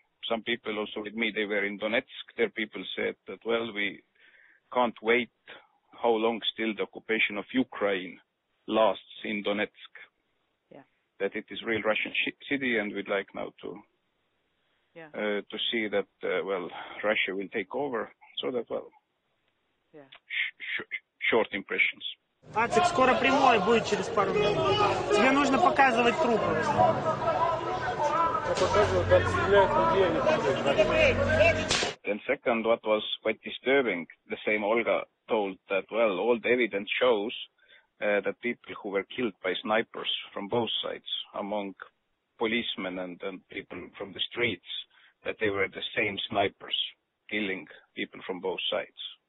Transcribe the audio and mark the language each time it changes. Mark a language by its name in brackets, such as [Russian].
[English] Some people also with me, they were in Donetsk. Their people said that, well, we can't wait how long still the occupation of Ukraine lasts in Donetsk. That it is real Russian city, and we'd like now to see that Russia will take over. So that short impressions. [Russian] Ацик скоро прямой будет через пару минут. Тебе нужно показывать трупы. [English] Then second, what was quite disturbing, the same Olga told that all the evidence shows that people who were killed by snipers from both sides, among policemen and people from the streets, that they were the same snipers killing people from both sides.